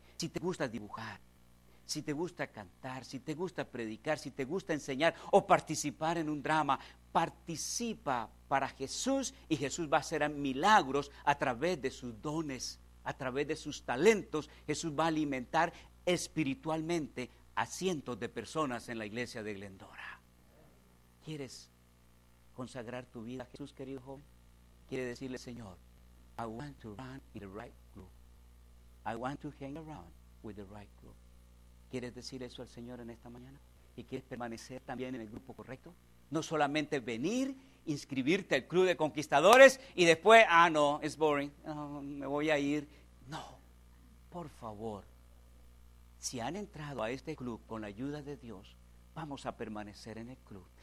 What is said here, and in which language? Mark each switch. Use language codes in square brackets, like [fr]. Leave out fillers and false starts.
[es] Si te gusta dibujar, si te gusta cantar, si te gusta predicar, si te gusta enseñar o participar en un drama, participa para Jesús y Jesús va a hacer milagros a través de sus dones, a través de sus talentos. Jesús va a alimentar espiritualmente a cientos de personas en la iglesia de Glendora. ¿Quieres consagrar tu vida a Jesús, querido joven? Quiere decirle: Señor, [en] I want to run in the right group. I want to hang around with the right group. [es] ¿Quieres decir eso al Señor en esta mañana? ¿Y quieres permanecer también en el grupo correcto? No solamente venir, inscribirte al club de conquistadores y después, no, [en] it's boring, [es] me voy a ir. No, por favor, si han entrado a este club con la ayuda de Dios, vamos a permanecer en el club.